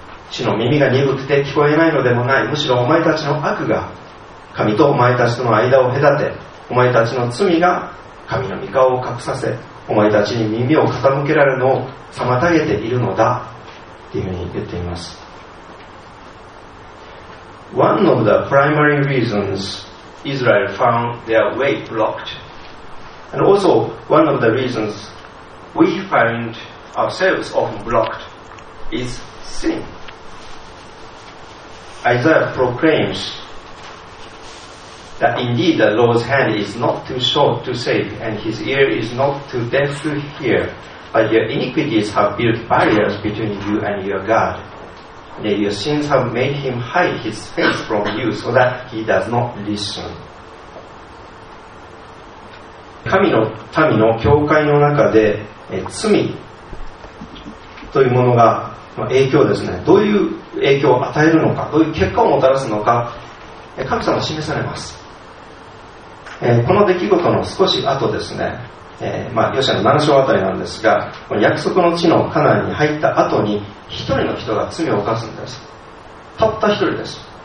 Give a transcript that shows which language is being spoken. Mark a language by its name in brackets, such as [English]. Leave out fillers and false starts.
[Japanese] 主の耳が鈍くて聞こえないのでもない。むしろお前たちの悪が神とお前たちとの間を隔て、お前たちの罪が神の御顔を隠させ、お前たちに耳を傾けられるのを妨げているのだ。っていうふうに言っています。 [English] One of the primary reasons Israel found their way blocked. And also, one of the reasons we find ourselves often blocked is sin. Isaiah proclaims that indeed the Lord's hand is not too short to save, and his ear is not too deaf to hear, but your iniquities have built barriers between you and your God. Yet your sins have made him hide his face from you so that he does not listen. [Japanese] 神の民の教会の中で罪というものが影響ですね、どういう影響を与えるのか、どういう結果をもたらすのか、神様は示されます。この出来事の少し後ですね、ヨシアの7章あたりなんですが、この約束の地のカナンに入った後に一人の人が罪を犯すんです。たった一人です。